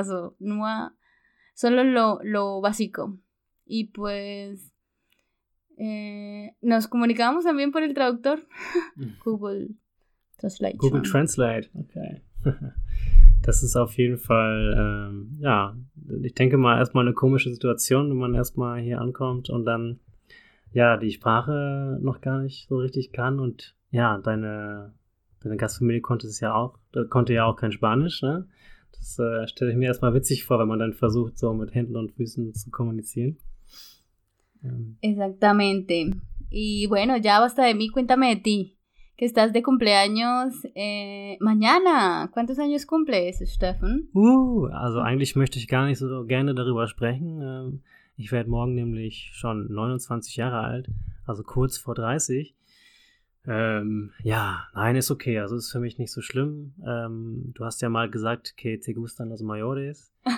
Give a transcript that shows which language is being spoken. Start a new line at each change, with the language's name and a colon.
Spanish: Also, solo lo básico. Y pues nos comunicábamos también por el traductor, Google Translate. Google Translate, okay.
German: Das ist auf jeden Fall, ja, ich denke mal, erstmal eine komische Situation, wenn man erstmal hier ankommt und dann, ja, die Sprache noch gar nicht so richtig kann und, ja, deine Gastfamilie konnte ja auch kein Spanisch, ne? Das stelle ich mir erstmal witzig vor, wenn man dann versucht, so mit Händen und Füßen zu kommunizieren.
Spanish: Exactamente. Y bueno, ya basta de mí, cuéntame de ti. Que estás de cumpleaños mañana. ¿Cuántos años cumples, Steffen?
German: Also eigentlich möchte ich gar nicht so gerne darüber sprechen. Ich werde morgen nämlich schon 29 Jahre alt, also kurz vor 30. Ja, nein, ist okay. Also ist für mich nicht so schlimm. Du hast ja mal gesagt,
Spanish: que te gustan los mayores.